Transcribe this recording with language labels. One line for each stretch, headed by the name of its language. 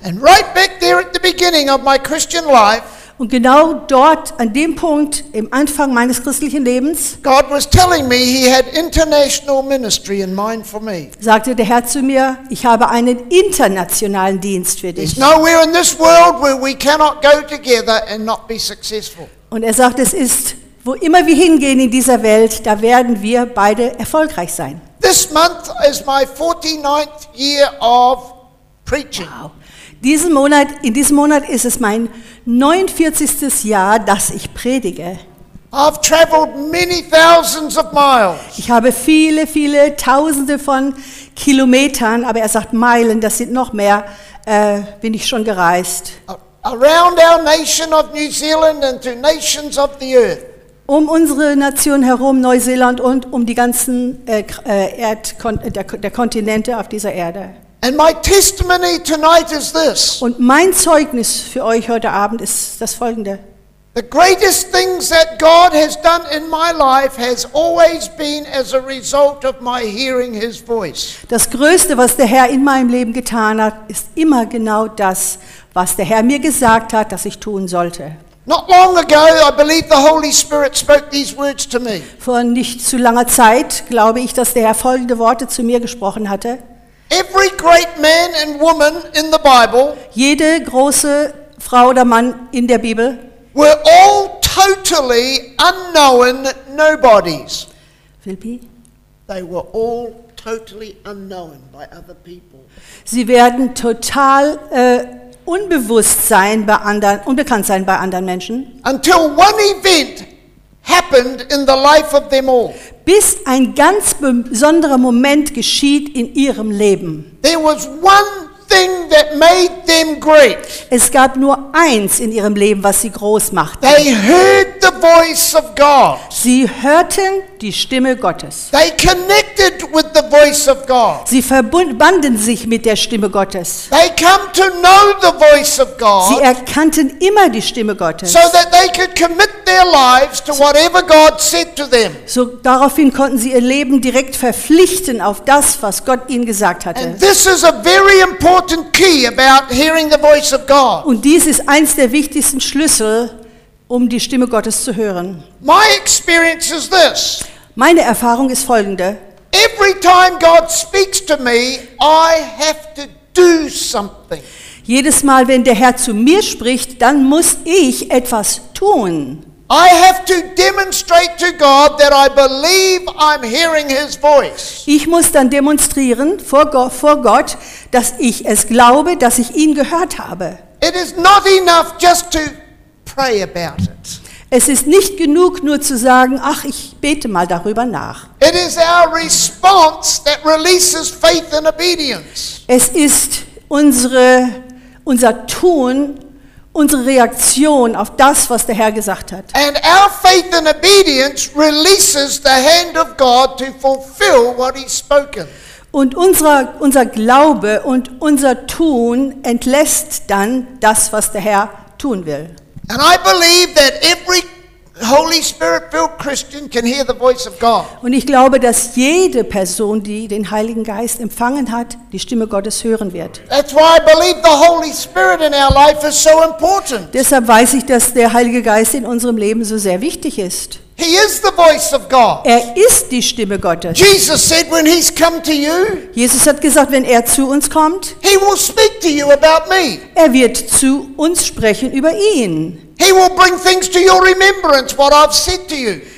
English: And right back there at the beginning of my Christian life.
German: Und genau dort, an dem Punkt, im Anfang meines christlichen Lebens,
English: God was telling me he had international ministry in mind for me.
German: Sagte der Herr zu mir, ich habe einen internationalen Dienst für dich.
English: There's nowhere in this world where we cannot go together and not be successful.
German: Und er sagt, es ist, wo immer wir hingehen in dieser Welt, da werden wir beide erfolgreich sein.
English: This month is my 49th year of preaching. Wow.
German: In diesem Monat ist es mein 49. Jahr, dass ich predige.
English: I've traveled many thousands of miles.
German: Ich habe viele, viele Tausende von Kilometern, aber er sagt Meilen, das sind noch mehr, bin ich schon gereist.
English: Around our nation of New Zealand and to nations of the earth.
German: Um unsere Nation herum, Neuseeland und um die ganzen der Kontinente auf dieser Erde.
English: And my testimony tonight is this.
German: Und mein Zeugnis für euch heute Abend ist das folgende.
English: The greatest things that God has done in my life has always been as a result of my hearing his voice.
German: Das Größte, was der Herr in meinem Leben getan hat, ist immer genau das, was der Herr mir gesagt hat, dass ich tun sollte.
English: Not long ago, I believe the Holy Spirit spoke these words to me.
German: Vor nicht zu langer Zeit glaube ich, dass der Herr folgende Worte zu mir gesprochen hatte.
English: Every great man and woman in the Bible.
German: Jede große Frau oder Mann in der Bibel.
English: Were all totally unknown nobodies. Philippi. They were all totally unknown by other people.
German: Sie werden total unbewusst sein bei anderen, unbekannt sein bei anderen Menschen.
English: Until one event happened in the life of them all.
German: Bis ein ganz besonderer Moment geschieht in ihrem Leben.
English: There was one thing that made them great.
German: Es gab nur eins in ihrem Leben, was sie groß machte.
English: They heard the voice of God.
German: Sie hörten die Stimme Gottes.
English: They connected with the voice of God.
German: Sie verbanden sich mit der Stimme Gottes.
English: They came to know the voice of God.
German: Sie erkannten immer die Stimme Gottes.
English: So that they could commit their lives to whatever God said to them.
German: So daraufhin konnten sie ihr Leben direkt verpflichten auf das, was Gott ihnen gesagt hatte.
English: And this is a very important key about hearing the voice of God.
German: Und dies ist eins der wichtigsten Schlüssel, um die Stimme Gottes zu hören.
English: My experience is this.
German: Meine Erfahrung ist folgende.
English: Every time God speaks to me, I have to do something.
German: Jedes Mal, wenn der Herr zu mir spricht, dann muss ich etwas tun.
English: I have to demonstrate to God that I believe I'm hearing his voice.
German: Ich muss dann demonstrieren vor Gott, dass ich es glaube, dass ich ihn gehört habe.
English: It is not enough just to pray about it.
German: Es ist nicht genug, nur zu sagen, ach, ich bete mal darüber nach.
English: It is our response that releases faith and obedience.
German: Es ist unser Tun, unsere Reaktion auf das, was der Herr gesagt hat.
English: And our faith and obedience releases the hand of God to fulfill what he's spoken.
German: Und unser Glaube und unser Tun entlässt dann das, was der Herr tun will.
English: And I believe that every Holy Spirit-filled Christian can hear the voice of God.
German: Und ich glaube, dass jede Person, die den Heiligen Geist empfangen hat, die Stimme Gottes hören wird.
English: That's why I believe the Holy Spirit in our life is so important.
German: Deshalb weiß ich, dass der Heilige Geist in unserem Leben so sehr wichtig ist.
English: He is the voice of God.
German: Er ist die Stimme Gottes.
English: Jesus said when he's come to you,
German: Jesus hat gesagt, wenn er zu uns kommt,
English: he will speak to you about me.
German: Er wird zu uns sprechen über ihn.
English: He will bring things to your remembrance what I've said to you.